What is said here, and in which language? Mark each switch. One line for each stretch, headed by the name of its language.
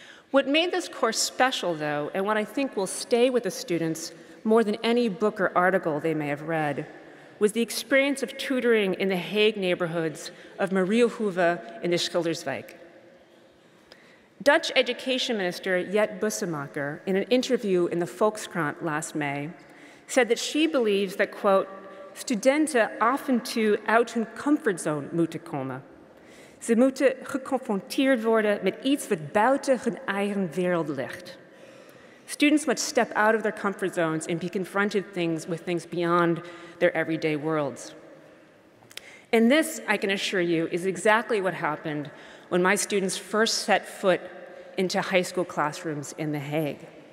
English: What made this course special, though, and what I think will stay with the students more than any book or article they may have read, was the experience of tutoring in the Hague neighborhoods of Mariehoeve in the Schilderswijk. Dutch Education Minister Jet Bussemaker, in an interview in the Volkskrant last May, said that she believes that, quote,
Dutch: studenten often to uit hun comfortzone moeten komen. Ze moeten geconfronteerd worden met iets wat buiten hun eigen wereld ligt.
English: Students must step out of their comfort zones and be confronted with things beyond their everyday worlds. And this, I can assure you, is exactly what happened when my students first set foot into high school classrooms in The Hague.